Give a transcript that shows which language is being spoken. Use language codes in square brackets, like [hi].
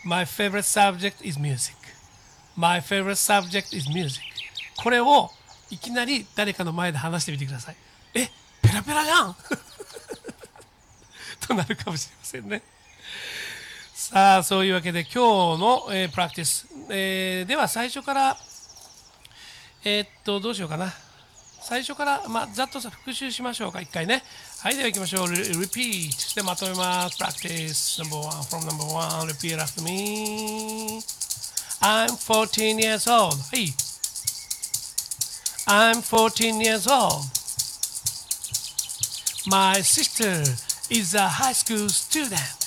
[en] My favorite subject is music. My favorite subject is music. [ja] これをいきなり誰かの前で話してみてください。え? ペラペラじゃんとなるかもしれませんね。さあ、そういうわけで今日の、プラクティス、では最初からどうしようかな。最初からまあざっとさ復習しましょうか一回ね。はい、では行きましょう。 [en] repeat [ja] してまとめます。プラクティス [en] number one from number one repeat after me. I'm 14 years old. はい、 I'm 14 years oldMy sister is a high school student.